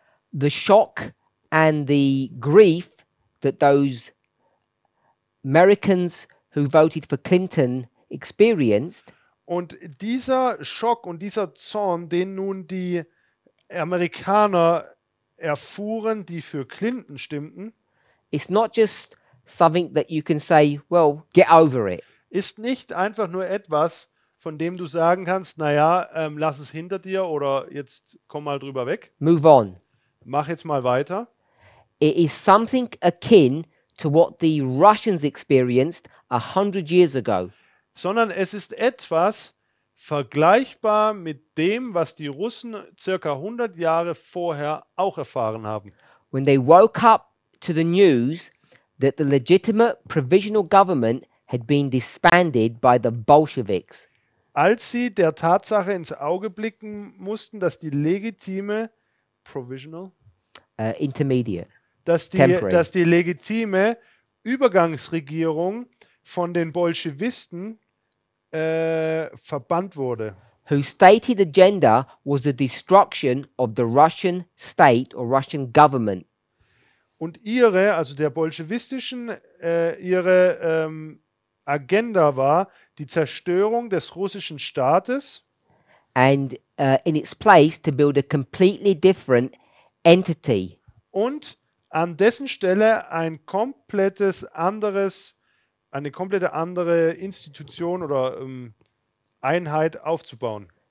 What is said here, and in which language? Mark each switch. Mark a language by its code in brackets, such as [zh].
[en] The shock and the grief that those Americans who voted for Clinton experienced. [de] Und dieser Schock und dieser Zorn, den nun die Amerikaner erfuhren, die für Clinton stimmten, [en] it's not just something that you can say, well, get over it. [de] Ist nicht einfach nur etwas, von dem du sagen kannst, naja, lass es hinter dir oder jetzt komm mal drüber weg. [en] Move on. [de] Mach jetzt mal weiter. [en] It is something akin to what the Russians experienced 100 years ago. [de] Sondern es ist etwas vergleichbar mit dem, was die Russen circa 100 Jahre vorher auch erfahren haben. [en] When they woke up to the news that the legitimate provisional government had been disbanded by the Bolsheviks. [de] Als sie der Tatsache ins Auge blicken mussten, dass die legitime provisional [en] intermediate [de] dass die legitime Übergangsregierung von den Bolschewisten verbannt wurde. [en] Whose stated agenda was the destruction of the Russian state or Russian government. [de] Und ihre, also der bolschewistischen, ihre Agenda war die Zerstörung des russischen Staates. [en] And in its place to build a completely different entity. [de] Und an dessen Stelle ein komplettes anderes eine komplette andere Institution oder Einheit aufzubauen.